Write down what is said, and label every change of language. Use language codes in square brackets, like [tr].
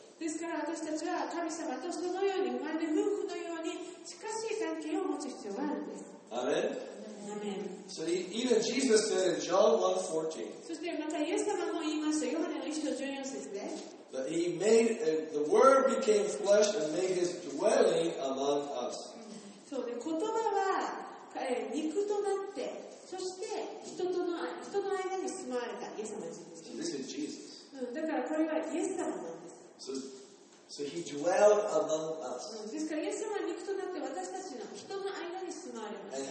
[ja] ですから私たちは神様とそのように生まれる夫婦のように近しい関係を持つ必要があるんです。アメン、アメン。 [en] So even Jesus said in John 1:14. [ja] そしてまたイエス様も言いました、ヨハネの1章14節で、 [en] That he made, the word became flesh and made his dwelling among us. [ja] そうで、言葉は肉となって、そして人の間に住まわれたイエス様です。 [en] So this is Jesus [ja] だからこれはイエス様なんです。 [en] So he dwelled among us. [ja] ですからイエス様は肉となって私たちの人の間に住まわれました。